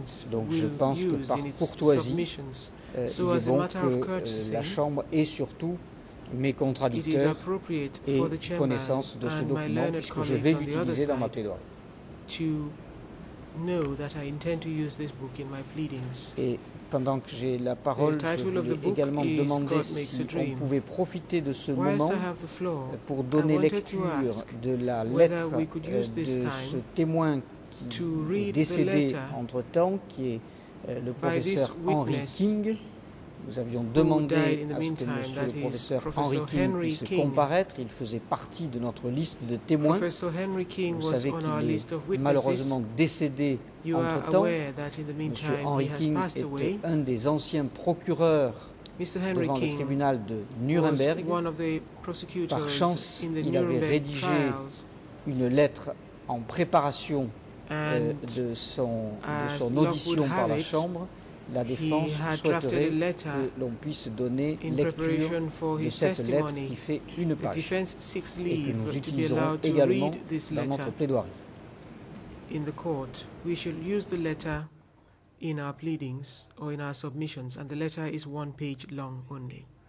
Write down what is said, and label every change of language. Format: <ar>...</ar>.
<fr>Donc je pense que par courtoisie, il est bon que la Chambre et surtout mes contradicteurs aient connaissance de ce document puisque je vais l'utiliser dans ma plaidoirie.</fr> <en>Know that I intend to use this book in my pleadings.</en> <fr>Et pendant que j'ai la parole, je voulais également demander si on pouvait profiter de ce moment pour donner lecture de la lettre de ce témoin qui est décédé entre-temps, qui est le professeur Henry King. Nous avions demandé à ce que monsieur le professeur Henry King puisse comparaître. Il faisait partie de notre liste de témoins. Vous savez qu'il est malheureusement décédé entre-temps. Monsieur Henry King était un des anciens procureurs devant le tribunal de Nuremberg. Par chance, il avait rédigé une lettre en préparation de son audition par la Chambre. La défense souhaiterait que l'on puisse donner lecture de cette lettre qui fait une page et que nous utiliserons également dans notre plaidoirie.</fr> <en>In the court, we shall use the letter in our pleadings or in our submissions, and the letter is one page long only.</en>